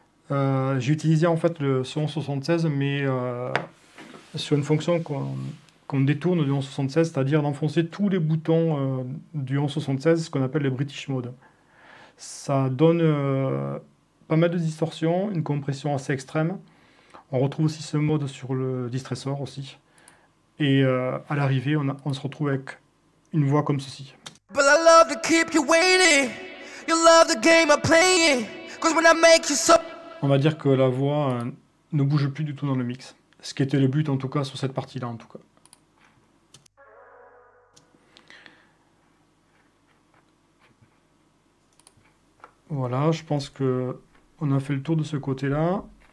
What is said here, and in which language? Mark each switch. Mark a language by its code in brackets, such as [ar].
[fr] J'ai utilisé en fait le 1176, mais sur une fonction qu'on détourne du 1176, c'est-à-dire d'enfoncer tous les boutons du 1176, ce qu'on appelle les British Mode. Ça donne pas mal de distorsions, une compression assez extrême. On retrouve aussi ce mode sur le distressor aussi. Et à l'arrivée, on se retrouve avec une voix comme ceci. [en] But I love to keep you waiting. You love the game I'm playing. 'Cause when I make you so... [fr] On va dire que la voix ne bouge plus du tout dans le mix. Ce qui était le but en tout cas sur cette partie-là en tout cas. Voilà, je pense que on a fait le tour de ce côté-là.